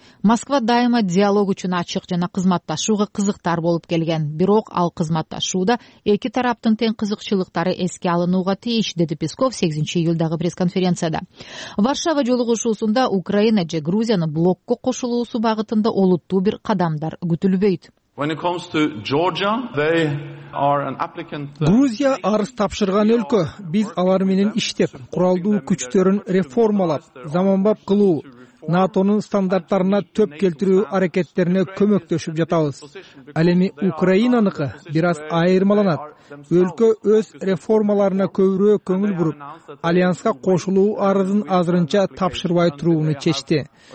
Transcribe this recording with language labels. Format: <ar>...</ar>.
<ky>Москва дайыма диалог үчүн ачык жана кызматташууга кызыктар болуп келген, бирок ал кызматташууда эки тараптын тең кызыкчылыктары эске алынууга тийиш, деди Песков 8 июлдагы пресс-конференцияда. Варшава жолугушуусунда Украина же Грузиянын блокко кошулуусу багытында олуттуу бир кадамдар күтүлбөйт.</ky> <en>When it comes to Georgia, they are an applicant.</en> <ky>Грузия арыз тапшырган өлкө. Биз алар менен иштеп, куралдуу күчтөрүн реформалап, заманбап кылуу, НАТОнун стандарттарына төп келтирүү аракеттерине көмөктөшүп жатабыз. Ал эми Украинаныкы бир аз айырмаланат. Өлкө өз реформаларына көбүрөөк көңүл буруп, альянска кошулуу арызын азырынча тапшырбай турууну чечти.</ky>